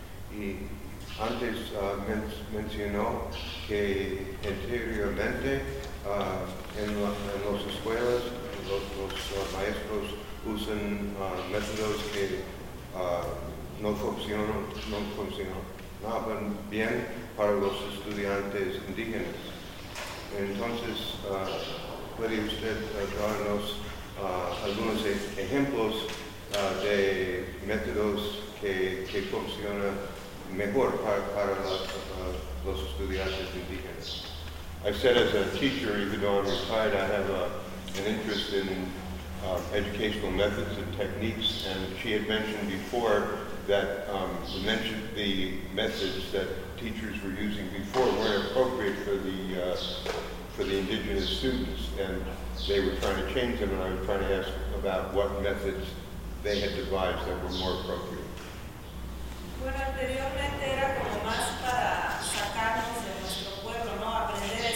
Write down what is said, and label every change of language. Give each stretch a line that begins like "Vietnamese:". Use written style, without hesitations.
Spanish: Y antes mencionó que anteriormente en las escuelas los maestros usan métodos que no funcionaban bien para los estudiantes indígenas. Entonces, ¿puede usted darnos algunos ejemplos de métodos que funcionan mejor para los estudiantes indígenas?
English: I said as a teacher, even though I'm retired, I have an interest in educational methods and techniques, and she had mentioned before that mentioned the methods that teachers were using before weren't appropriate for the indigenous students, and they were trying to change them, and I was trying to ask about what methods they had devised that were more appropriate.
Spanish: Bueno, anteriormente era como más para sacarnos de nuestro pueblo, ¿no? Aprender